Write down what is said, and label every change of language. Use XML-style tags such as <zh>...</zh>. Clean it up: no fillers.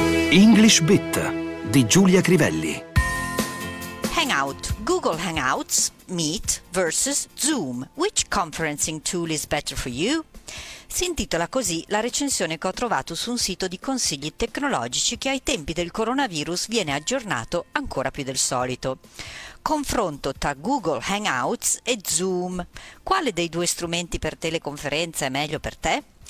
<it>English Bit di Giulia Crivelli.</it> <en>Hangout, Google Hangouts, Meet versus Zoom. Which conferencing tool is better for you?</en> <it>Si intitola così la recensione che ho trovato su un sito di consigli tecnologici che ai tempi del coronavirus viene aggiornato ancora più del solito. Confronto tra Google Hangouts e Zoom. Quale dei due strumenti per teleconferenza è meglio per te?</it>